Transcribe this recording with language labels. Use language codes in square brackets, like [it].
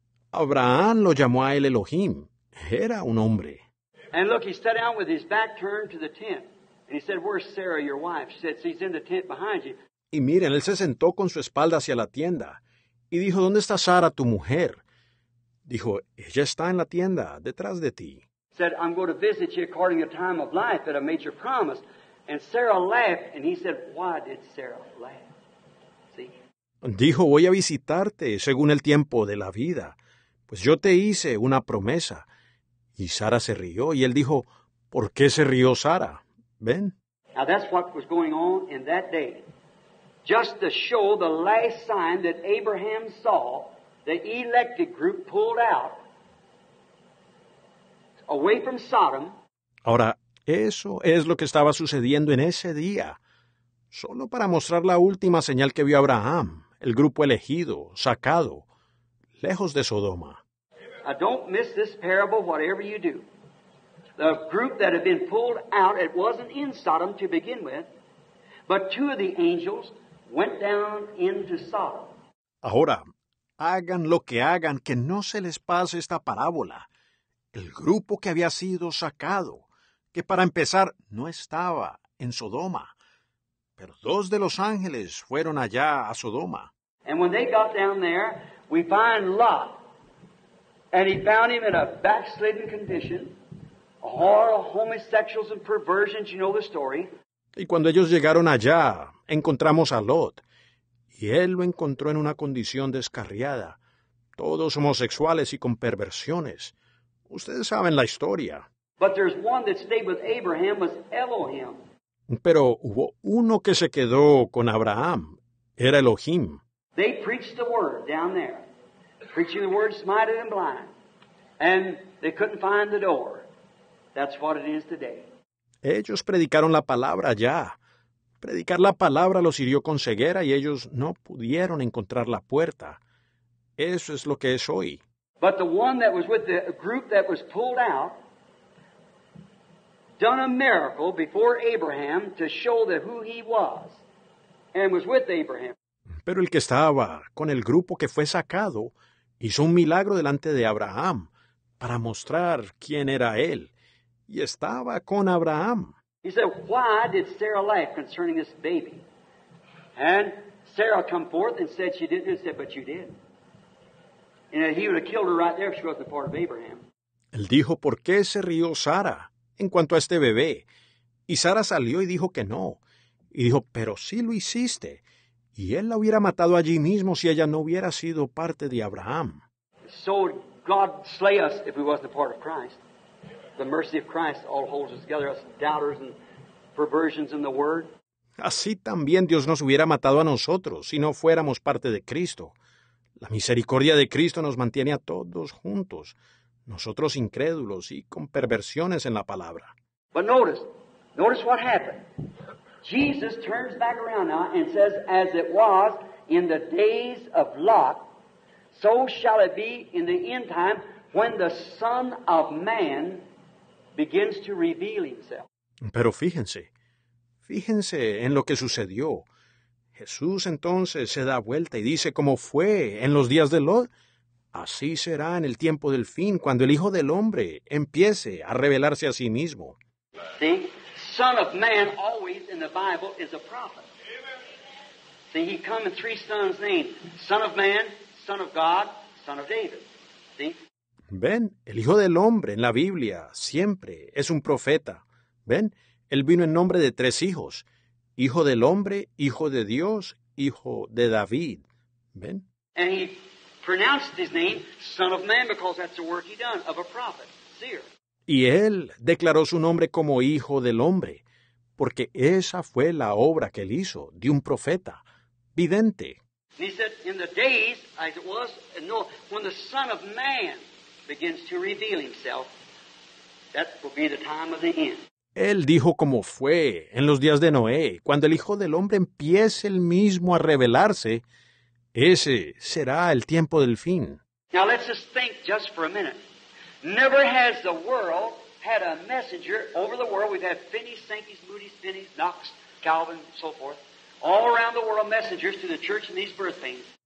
[es] Abraham lo llamó a él Elohim, era un hombre. [en] And look, he sat down with his back turned to the tent, and he said, "Where's Sarah, your wife?" She said, "She's in the tent behind you." [es] Y miren, él se sentó con su espalda hacia la tienda, y dijo, "¿Dónde está Sara, tu mujer?" Dijo, "Ella está en la tienda, detrás de ti." [en] Said, "I'm going to visit you according to time of life that I made your promise." And Sarah laughed, and he said, "Why did Sarah laugh?" See? [es] Dijo, "Voy a visitarte según el tiempo de la vida, pues yo te hice una promesa." Y Sara se rió, y él dijo, "¿Por qué se rió Sara? ¿Ven?" [en] Now that's what was going on in that day. Just to show the last sign that Abraham saw, the elected group pulled out, away from Sodom. [es] Ahora, eso es lo que estaba sucediendo en ese día. Solo para mostrar la última señal que vio Abraham, el grupo elegido, sacado, lejos de Sodoma. [en] I don't miss this parable, whatever you do. The group that had been pulled out, it wasn't in Sodom to begin with, but two of the angels went down into Sodom. [es] Ahora, hagan lo que hagan, que no se les pase esta parábola. El grupo que había sido sacado, que para empezar no estaba en Sodoma, pero dos de los ángeles fueron allá a Sodoma. [en] And when they got down there, we find Lot, and he found him in a backslidden condition, a horror of homosexuals and perversions, you know the story. [es] Y cuando ellos llegaron allá, encontramos a Lot, y él lo encontró en una condición descarriada, todos homosexuales y con perversiones. Ustedes saben la historia. [en] But there's one that stayed with Abraham was Elohim. [es] Pero hubo uno que se quedó con Abraham. Era Elohim. [en] They preached the word down there. Preaching the word smited and blind. And they couldn't find the door. That's what it is today. [es] Ellos predicaron la palabra ya. Predicar la palabra los hirió con ceguera y ellos no pudieron encontrar la puerta. Eso es lo que es hoy. [en] But the one that was with the group that was pulled out done a miracle before Abraham to show that who he was and was with Abraham. [es] Pero el que estaba con el grupo que fue sacado hizo un milagro delante de Abraham para mostrar quién era él y estaba con Abraham. [en] He said, "Why did Sarah laugh concerning this baby?" And Sarah come forth and said she didn't, and said, "But you did." And he would have killed her right there if she wasn't part of Abraham. [es] Él dijo, "¿Por qué se rió Sara en cuanto a este bebé?" Y Sara salió y dijo que no. Y dijo, "Pero sí lo hiciste." Y él la hubiera matado allí mismo si ella no hubiera sido parte de Abraham. [en] So God slay us if we wasn't a part of Christ. The mercy of Christ all holds us together, us doubters and perversions in the word. [es] Así también Dios nos hubiera matado a nosotros si no fuéramos parte de Cristo. La misericordia de Cristo nos mantiene a todos juntos. Nosotros incrédulos y con perversiones en la palabra. [en] But notice what happened. Jesus turns back around now and says, as it was in the days of Lot, so shall it be in the end time when the Son of Man begins to reveal himself. [es] Pero fíjense en lo que sucedió. Jesús entonces se da vuelta y dice, como fue en los días de Lot, así será en el tiempo del fin, cuando el Hijo del Hombre empiece a revelarse a sí mismo. [en] See, Son of Man always in the Bible is a prophet. See, he come in three sons' names. Son of Man, Son of God, Son of David. See? [es] Ven, el Hijo del Hombre en la Biblia siempre es un profeta. Ven, él vino en nombre de tres hijos. Hijo del Hombre, Hijo de Dios, Hijo de David. Ven. [en] And he pronounced his name, Son of Man, because that's the work he done, of a prophet, seer. [es] Y él declaró su nombre como Hijo del Hombre, porque esa fue la obra que él hizo, de un profeta, vidente. [en] And he said, in the days, as it was, no, when the Son of Man begins to reveal himself, that will be the time of the end. [es] Él dijo como fue en los días de Noé, cuando el Hijo del Hombre empiece el mismo a revelarse, ese será el tiempo del fin. [en] Now let's just think just for a minute. Never has the world had a messenger over the world. We've had Finney's, Sankey's, Moody's, Finney's, Knox, Calvin, so forth, all around the world messengers to the church in these birth pains.